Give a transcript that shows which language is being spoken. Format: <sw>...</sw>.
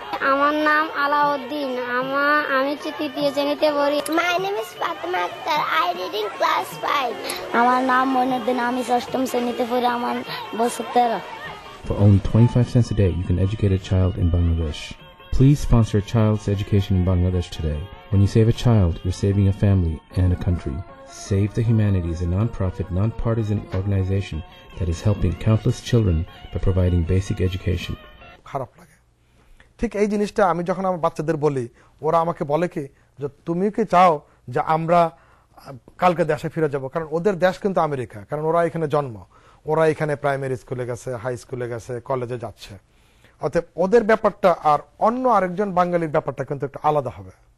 <bn>আমার নাম আলাউদ্দিন, আমি চিঠি দিয়ে জেনেতে বলি।</bn> <en>My name is Fatema Akter, I reading class 5।</en> <bn>আমার নাম মনুদ্দিন, আমি ষষ্ঠম শ্রেণীতে পড়ি, আমার বছর 13।</bn> <en>For only 25 cents a day, you can educate a child in Bangladesh. Please sponsor a child's education in Bangladesh today. When you save a child, you're saving a family and a country. Save the Humanity is a non-profit, non-partisan organization that is helping countless children by providing basic education.</en> <bn>খারাপ লাগে ঠিক এই জিনিসটা আমি যখন আমার বাচ্চাদের বলি, ওরা আমাকে বলে কি যে তুমি কি চাও যে আমরা কালকে দেশে ফিরে যাব, কারণ ওদের দেশ কিন্তু আমেরিকা, কারণ ওরা এখানে জন্ম, ওরা এখানে প্রাইমারি স্কুলে গেছে, হাই স্কুলে গেছে, কলেজে যাচ্ছে। অতএব ওদের ব্যাপারটা আর অন্য আরেকজন বাঙালির ব্যাপারটা কিন্তু একটু আলাদা হবে।</bn>